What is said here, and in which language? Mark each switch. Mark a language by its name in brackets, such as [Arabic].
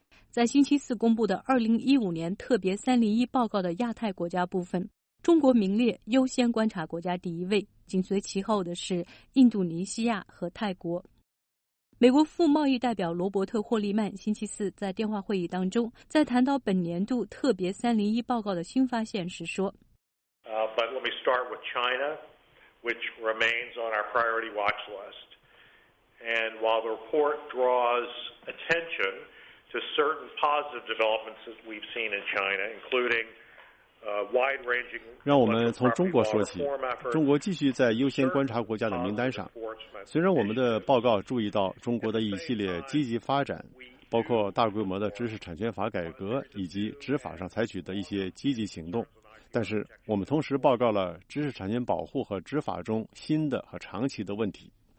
[Chinese] 在星期四公布的2015年特别301报告的亚太国家部分，中国名列优先观察国家第一位，紧随其后的是印度尼西亚和泰国。美国副贸易代表罗伯特·霍利曼星期四在电话会议当中，在谈到本年度特别301报告的新发现时说 [English] ：But let me start with China, which remains on our priority watch list. And while the report draws attention to certain positive developments that we've seen in China, including wide-ranging. [Chinese] 让我们从中国说起，中国继续在优先观察国家的名单上。虽然我们的报告注意到中国的一系列积极发展，包括大规模的知识产权法改革以及执法上采取的一些积极行动，但是我们同时报告了知识产权保护和执法中新的和长期的问题。